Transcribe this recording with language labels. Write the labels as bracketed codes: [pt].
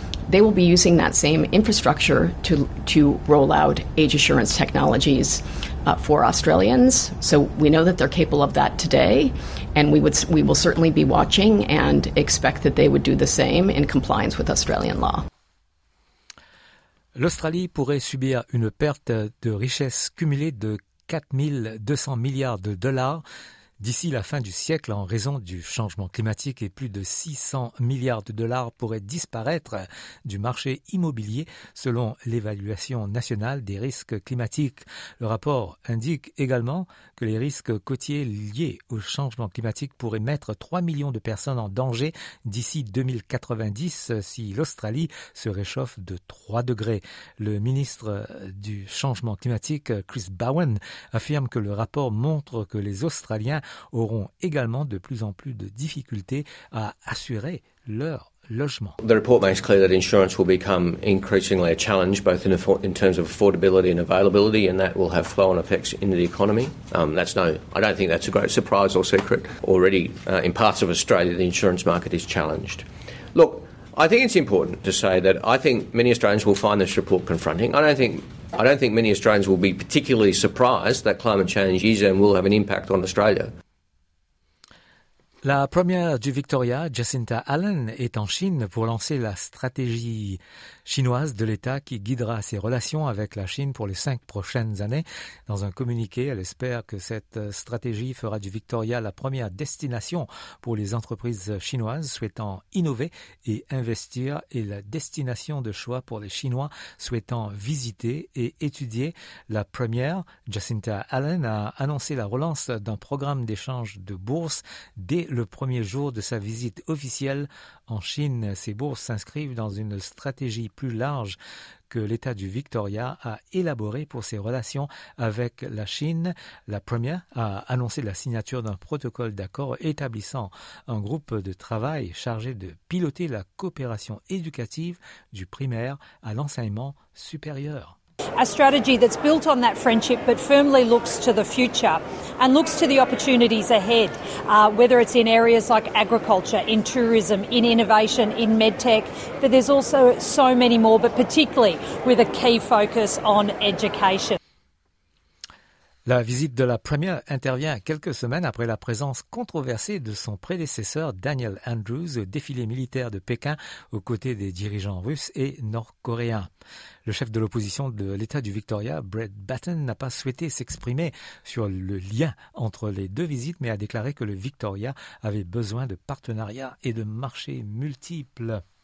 [en] They will be using that same infrastructure to roll out age assurance technologies for Australians. So we know that they're capable of that today, and we will certainly be watching and expect that they would do the same in compliance with Australian law. [fr] L'Australie pourrait subir une perte de richesse cumulée de 4200 milliards de dollars d'ici la fin du siècle en raison du changement climatique et plus de 600 milliards de dollars pourraient disparaître du marché immobilier selon l'évaluation nationale des risques climatiques. Le rapport indique également que les risques côtiers liés au changement climatique pourraient mettre 3 millions de personnes en danger d'ici 2090 si l'Australie se réchauffe de 3 degrés. Le ministre du changement climatique, Chris Bowen, affirme que le rapport montre que les Australiens auront également de plus en plus de difficultés à assurer leur logement. [en] The report makes clear that insurance will become increasingly a challenge, both in terms of affordability and availability, and that will have flow-on effects in the economy. I don't think that's a great surprise or secret. Already, in parts of Australia, the insurance market is challenged. Look, I think it's important to say that I think many Australians will find this report confronting. I don't think many Australians will be particularly surprised that climate change is and will have an impact on Australia. [fr] La première du Victoria, Jacinta Allen, est en Chine pour lancer la stratégie chinoise de l'État qui guidera ses relations avec la Chine pour les 5 prochaines années. Dans un communiqué, elle espère que cette stratégie fera du Victoria la première destination pour les entreprises chinoises souhaitant innover et investir et la destination de choix pour les Chinois souhaitant visiter et étudier. La première, Jacinta Allen, a annoncé la relance d'un programme d'échange de bourses dès le premier jour de sa visite officielle en Chine. Ces bourses s'inscrivent dans une stratégie plus large que l'État du Victoria a élaborée pour ses relations avec la Chine. La première a annoncé la signature d'un protocole d'accord établissant un groupe de travail chargé de piloter la coopération éducative du primaire à l'enseignement supérieur. [en] A strategy that's built on that friendship but firmly looks to the future and looks to the opportunities ahead, whether it's in areas like agriculture, in tourism, in innovation, in medtech, but there's also so many more, but particularly with a key focus on education. [fr] La visite de la première intervient quelques semaines après la présence controversée de son prédécesseur Daniel Andrews au défilé militaire de Pékin aux côtés des dirigeants russes et nord-coréens. Le chef de l'opposition de l'État du Victoria, Brett Batten, n'a pas souhaité s'exprimer sur le lien entre les deux visites, mais a déclaré que le Victoria avait besoin de partenariats et de marchés multiples.